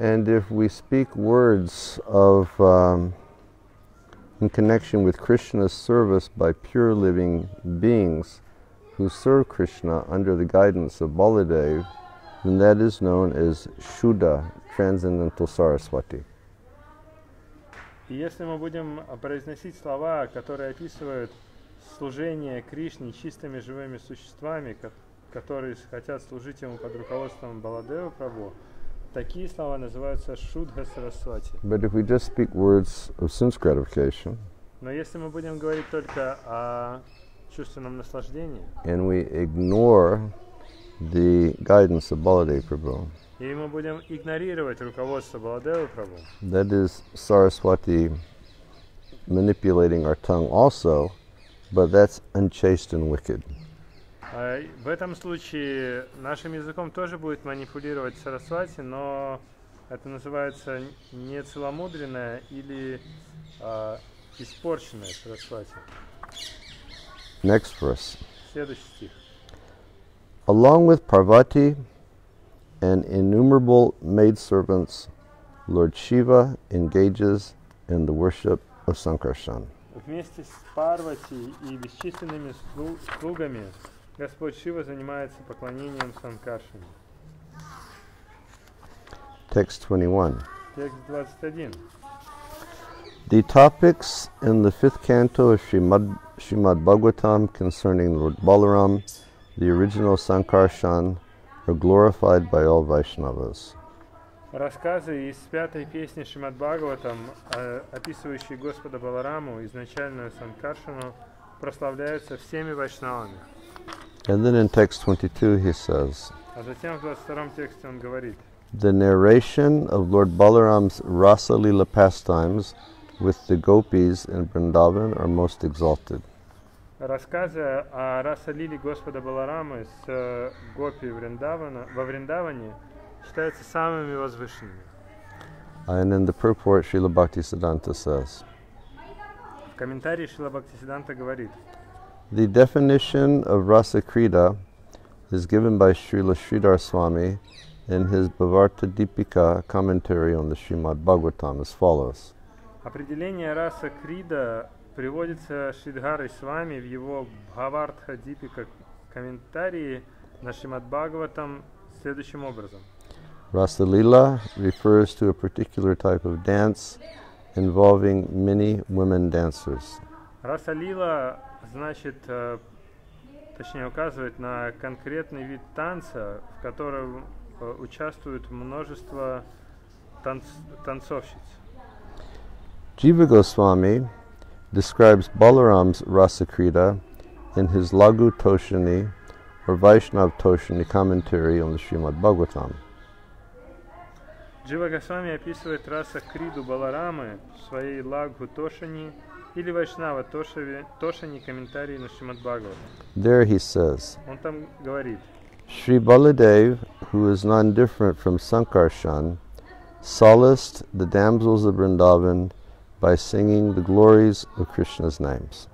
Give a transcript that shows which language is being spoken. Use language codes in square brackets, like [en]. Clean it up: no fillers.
[en] And if we speak words of in connection with Krishna's service by pure living beings who serve Krishna under the guidance of Baladev, then that is known as Shuddha, transcendental Saraswati. [ru] И если мы будем произносить слова, которые описывают служение Кришне чистыми живыми существами, которые хотят служить ему под руководством Баладева Прабху, такие слова называются Шудха Сарасвати. [en] But if we just speak words of sense gratification, [ru] но если мы будем говорить только о чувственном наслаждении, [en] and we ignore the guidance of Baladev Prabhu, [ru] и мы будем игнорировать руководство Баладева Прабху, [en] that is Saraswati manipulating our tongue also, but that's unchaste and wicked. [ru] В этом случае нашим языком тоже будет манипулировать Сарасвати, но это называется нецеломудренное или испорченное Сарасвати. [en] Next verse. [ru] Следующий стих. [en] Along with Parvati and innumerable maidservants, Lord Shiva engages in the worship of Sankarshan. [ru] Вместе с Парвати и бесчисленными слугами Господь Шива занимается поклонением Санкаршане. [en] Text 21. [ru] Текст 21. [en] The topics in the fifth canto of Srimad Bhagavatam concerning Lord Balaram, the original Sankarshan, are glorified by all Vaishnavas. [ru] Рассказы из пятой песни Шримад Бхагаватам, описывающие Господа Балараму, изначальную Санкаршану, прославляются всеми вайшнавами. [en] And then in text 22 he says, [ru] а затем в 22-м тексте он говорит, [en] the narration of Lord Balaram's Rasa Lila pastimes with the gopis in Vrindavan are most exalted. [ru] Рассказы о Раса Лиле Господа Баларамы с гопи Вриндавана во Вриндаване считаются самыми возвышенными. [en] And in the purport Srila Bhaktisiddhanta says, [ru] в комментарии Шрила Бхактисиддханта говорит, [en] the definition of Rasa Krida is given by Srila Sridhar Swami in his Bhavartha Deepika commentary on the Srimad Bhagavatam as follows. [ru] Определение Rasa Krida приводится Шридхарой Свами в его Бхавартха Дипика комментарии на Шримад Бхагаватам следующим образом. [en] Rasa Lila refers to a particular type of dance involving many women dancers. [ru] Rasa Lila значит, точнее указывает на конкретный вид танца, в котором участвует множество танцовщиц. [en] Jiva Goswami describes Balaram's Rasa Krida in his Lagu Toshini or Vaishnav Toshini commentary on the Srimad Bhagavatam. [ru] Jiva Goswami описывает Rasa Kridu Balarama в своей Lagu Toshini или Вайшнава Тошани комментарии на Шримад Бхагаватам. [en] There he says, [ru] он там говорит, [en] Shri Baladev, who is none different from Sankarshan, solaced the damsels of Vrindavan by singing the glories of Krishna's names.